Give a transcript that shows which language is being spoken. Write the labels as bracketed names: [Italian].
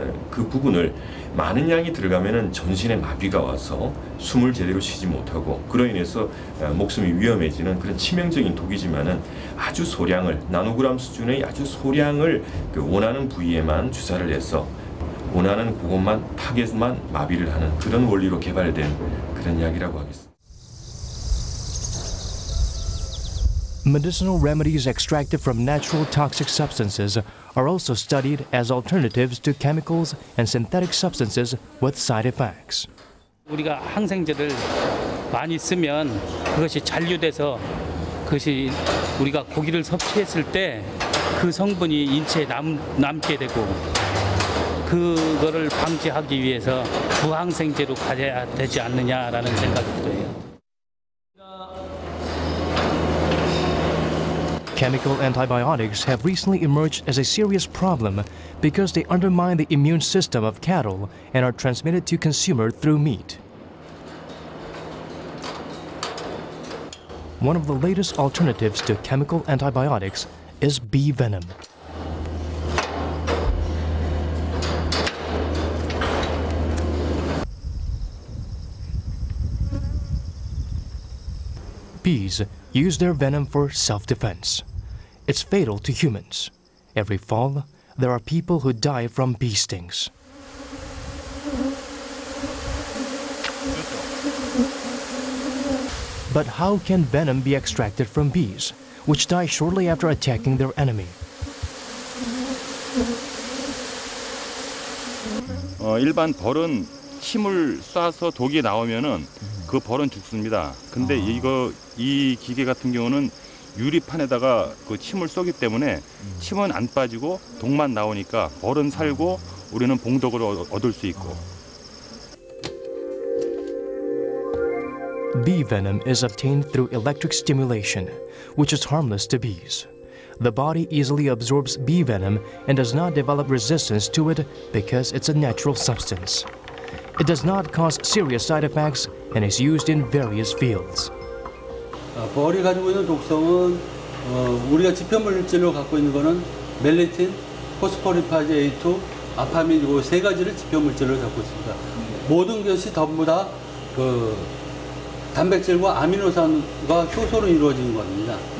[Korean] 그 부분을 많은 양이 들어가면은 전신에 마비가 와서 숨을 제대로 쉬지 못하고 그로 인해서 목숨이 위험해지는 그런 치명적인 독이지만은 아주 소량을 나노그램 수준의 아주 소량을 그 원하는 부위에만 주사를 해서 원하는 그곳만 타겟만 마비를 하는 그런 원리로 개발된 그런 약이라고 하겠습니다. [English] Medicinal remedies extracted from natural toxic substances are also studied as alternatives to chemicals and synthetic substances with side effects. [Korean] 우리가 항생제를 많이 쓰면 그것이 잔류돼서 그것이 우리가 고기를 섭취했을 때 그 성분이 인체에 남게 되고 그거를 방지하기 위해서 부항생제로 가져야 되지 않느냐라는 생각이 들어요. [English] Chemical antibiotics have recently emerged as a serious problem because they undermine the immune system of cattle and are transmitted to consumers through meat. One of the latest alternatives to chemical antibiotics is bee venom. Bees use their venom for self-defense. It's fatal to humans. Every fall, there are people who die from bee stings. But how can venom be extracted from bees, which die shortly after attacking their enemy? [Korean] 일반 벌은 힘을 쏴서 독이 나오면은 그 벌은 죽습니다. 근데 이거 이 기계 같은 경우는 유리판에다가 그 침을 쏘기 때문에 침은 안 빠지고 독만 나오니까 벌은 살고 우리는 봉독을 얻을 수 있고. [English] Bee venom is obtained through electric stimulation, which is harmless to bees. The body easily absorbs bee venom and does not develop resistance to it because it's a natural substance. It does not cause serious side effects and is used in various fields. [Korean] 벌이 가지고 있는 독성은 우리가 지표물질로 갖고 있는 거는 멜리틴, 포스포리파제 A2, 아파민 이 세 가지를 지표물질로 잡고 있습니다. 모든 것이 전부 다 그 단백질과 아미노산과 효소로 이루어진 겁니다.